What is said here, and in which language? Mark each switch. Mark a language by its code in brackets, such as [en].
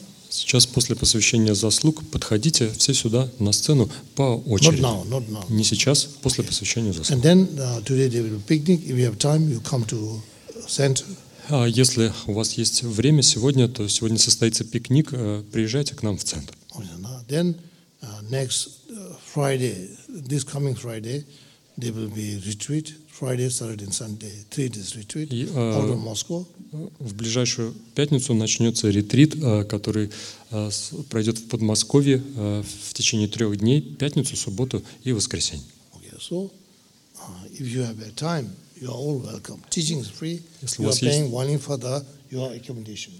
[ru] Сейчас после посвящения заслуг подходите все сюда на сцену по очереди. [en] Not now. [ru] Не сейчас, после посвящения заслуг. [en] And then today there will be picnic. If you have time, you come to center. [ru] А если у вас есть время сегодня, то сегодня состоится пикник, приезжайте к нам в центр. [en] Then next Friday, this coming Friday, there will be retreat. Friday, Saturday, and Sunday, 3 days retreat out of Moscow. [ru] В ближайшую пятницу начнется ретрит, который пройдет в Подмосковье в течение 3 дней: пятницу, субботу и воскресенье. [en] Okay, so if you have a time. You are all welcome. Teaching is free. [ru] Если [en] you are paying [ru] есть... [en] only for the your accommodation.